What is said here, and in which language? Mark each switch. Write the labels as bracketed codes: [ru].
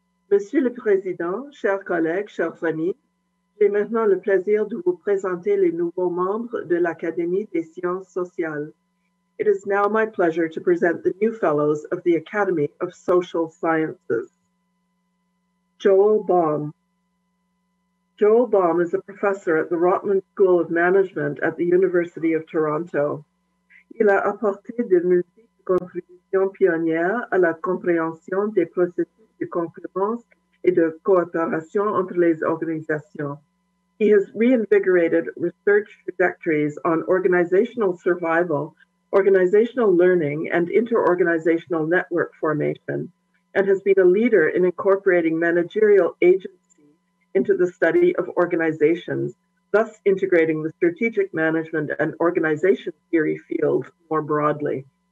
[fr] Monsieur le Président, chers collègues, chers amis, j'ai maintenant le plaisir de vous présenter les nouveaux membres de l'Académie des sciences sociales. [en] It is now my pleasure to present the new fellows of the Academy of Social Sciences. Joel Baum. Joel Baum is a professor at the Rotman School of Management at the University of Toronto. [fr] Il a apporté de multiples contributions pionnières à la compréhension des processus de concurrence et de coopération entre les organisations. [en] He has reinvigorated research trajectories on organizational survival, organizational learning, and inter-organizational network formation, and has been a leader in incorporating managerial agency into the study of organizations, thus integrating the strategic management and organization theory fields more broadly.